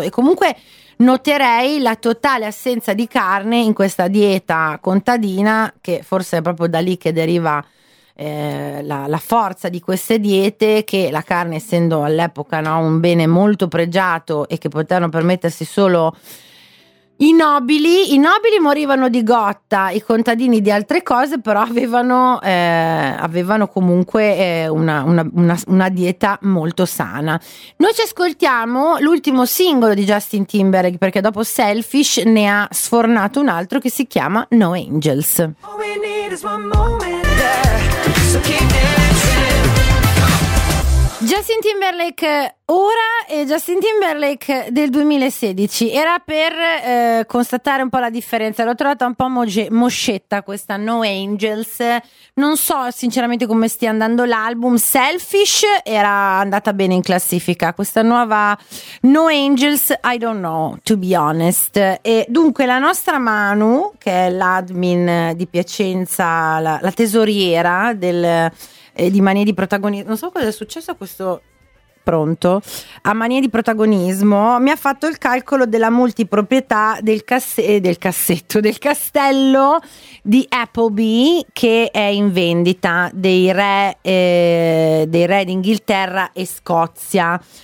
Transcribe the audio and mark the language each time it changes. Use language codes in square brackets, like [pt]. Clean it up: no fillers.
[it] E comunque noterei la totale assenza di carne in questa dieta contadina, che forse è proprio da lì che deriva la forza di queste diete, che la carne, essendo all'epoca, no, un bene molto pregiato e che potevano permettersi solo I nobili morivano di gotta, i contadini di altre cose, però avevano comunque una dieta molto sana. Noi ci ascoltiamo l'ultimo singolo di Justin Timberlake, perché dopo Selfish ne ha sfornato un altro che si chiama No Angels. [en] All we need is one moment, so keep dancing. [it] Justin Timberlake ora è Justin Timberlake del 2016. Era per constatare un po' la differenza. L'ho trovata un po' moscetta questa No Angels. Non so sinceramente come stia andando l'album. Selfish era andata bene in classifica. Questa nuova No Angels, [en] I don't know, to be honest. [it] E dunque la nostra Manu, che è l'admin di Piacenza, la tesoriera di Manie di Protagonista. Non so cosa è successo a questo... Pronto? A Manie di Protagonismo mi ha fatto il calcolo della multiproprietà del castello di Appleby, che è in vendita dei re d'Inghilterra e Scozia.